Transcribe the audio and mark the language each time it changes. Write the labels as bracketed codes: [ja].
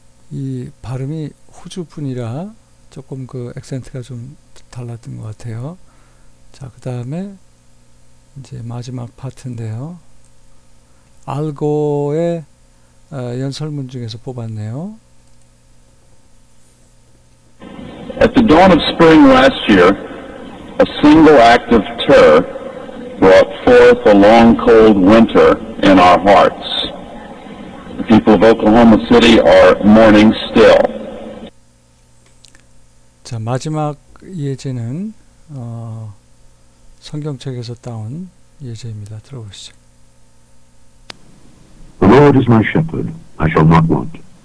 [ko] 이 발음이 호주 분이라 조금 그 액센트가 좀 달랐던 것 같아요. 자, 그 다음에 이제 마지막 파트인데요. 알고의 연설문 중에서 뽑았네요. [en] At the dawn of spring last year, a single act of terror brought forth a long, cold winter in our hearts. The people of Oklahoma City are mourning still. [ko] 자, 마지막 예제는 성경책에서 따온 예제입니다. 들어보시죠. [en] The Lord is my shepherd, I shall not want.